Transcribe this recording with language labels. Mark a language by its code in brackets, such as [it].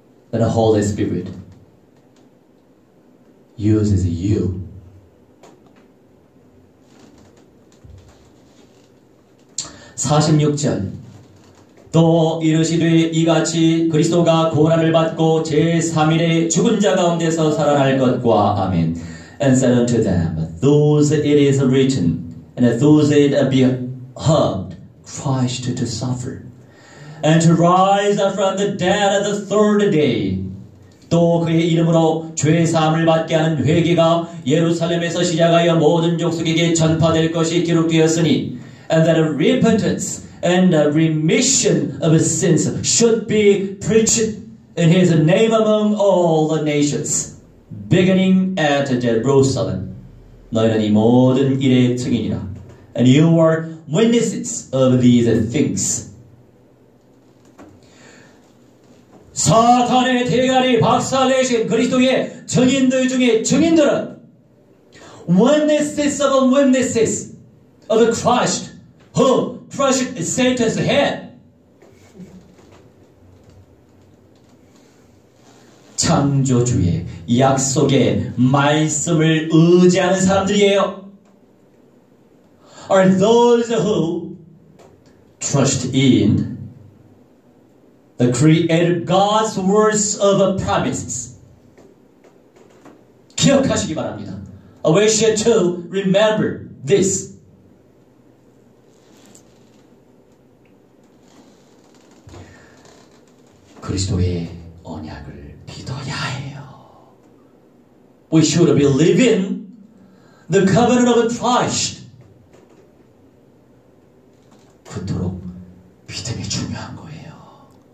[en] That the Holy Spirit uses you. [ko] 46절 또 이르시되 이같이 그리스도가 고난을 받고 제3일에 죽은 자 가운데서 살아날 것과 아멘. [en] And said unto them, Thus it is written, and thus it behoved Christ to suffer, and to rise from the dead on the third day. [ko] 또 그의 이름으로 죄사함을 받게 하는 회개가 예루살렘에서 시작하여 모든 족속에게 전파될 것이 기록되었으니, [en] And that repentance and the remission of his sins should be preached in his name among all the nations, beginning at Jerusalem. [ko] 너희는 이 모든 일의 증인이라. [en] And you are witnesses of these things. [ko] 사탄의 대가리 박살내신 그리스도의 증인들 중에 증인들은 [en] witnesses of witnesses of Christ who crush Satan's head. [ko] 창조주의 약속의 말씀을 의지하는 사람들이에요. [en] Are those who trust in the Creator God's words of promises. [ko] 기억하시기 바랍니다. [en] I wish you to remember this. [ko] 그리스도의 언약을 믿어야 해요. [en] We should believe in the covenant of Christ. [ko] 그토록 믿음이 중요한 거예요.